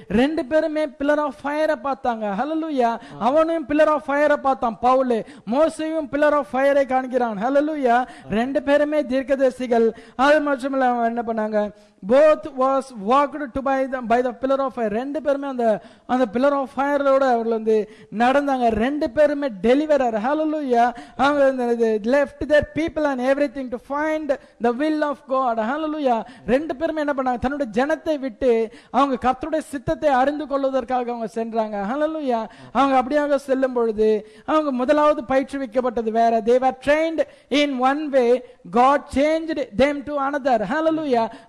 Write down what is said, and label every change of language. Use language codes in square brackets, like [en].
[ta] ரெண்டு பேருமே pillar of ஃபயரை பார்த்தாங்க. ஹல்லேலூயா. அவனும் பில்லர் ஆஃப் ஃபயரை பார்த்தான் பவுல். மோசேயும் பில்லர் ஃபயரை காண்கிறான். ஹல்லேலூயா. ரெண்டு பேருமே தீர்க்கதரிசிகள். அது மட்டும் இல்ல, என்ன பண்ணாங்க, [en] both was walked to by the pillar of fire. [ta] ரெண்டு பேருமே அந்த [en] pillar of fire [ta] ஓட அவங்க வந்து நடந்தாங்க. ரெண்டு பேருமே deliverer. hallelujah. அவங்க வந்து [en] left their people and everything to find the will of God. hallelujah. [ta] ரெண்டு பேருமே என்ன பண்ணாங்க, தன்னோட ஜனத்தை விட்டு அவங்க கர்த்தருடைய சித்தத்தை அறிந்து கொள்வதற்காக அவங்க சென்றாங்க. hallelujah. அவங்க அப்படியாக செல்லும் பொழுது அவங்க முதலாவது பயிற்றுவிக்கப்பட்டது வேற. [en] they were trained in one way, God changed them to another. hallelujah.